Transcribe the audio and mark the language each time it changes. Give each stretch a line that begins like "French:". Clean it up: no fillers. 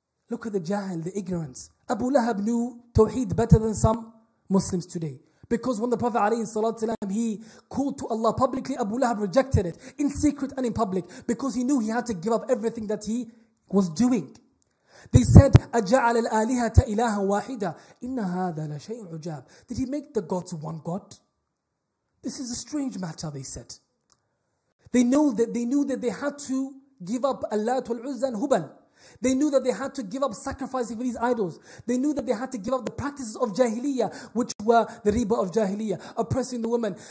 English: Look at the jahil, the ignorance. Abu Lahab knew Tawheed better than some Muslims today. Because when the Prophet alayhi salatu salam, he called to Allah publicly, Abu Lahab rejected it in secret and in public because he knew he had to give up everything that he was doing. They said,
Arabic: أَجَعَلَ الْآلِهَةَ إِلَهًا وَاحِدًا إِنَّ هَذَا لَشَيْءٌ عُجَابٌ.
English: Did he make the gods one god? This is a strange matter, they said. They knew that they had to give up اللات والعزة and هبل. They knew that they had to give up sacrificing for these idols. They knew that they had to give up the practices of jahiliyyah, which were the riba of jahiliyyah, oppressing the women.